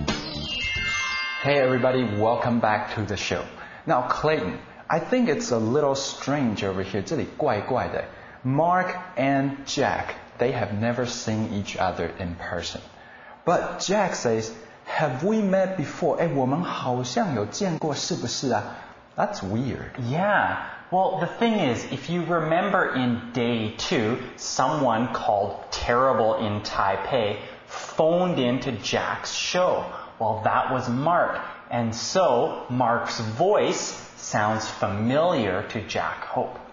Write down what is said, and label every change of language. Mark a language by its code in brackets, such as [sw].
[en] Hey everybody, welcome back to the show. Now Clayton,I think it's a little strange over here. [zh] 这里怪怪的。 [en] Mark and Jack, they have never seen each other in person. But Jack says, have we met before? [zh] 哎，我们好像有见过，是不是啊？ [en] That's weird. Yeah. Well, the thing is, if you remember in day two, someone called Terrible in Taipei phoned into Jack's show. Well, that was Mark. And so, Mark's voice... sounds familiar to Jack Hope.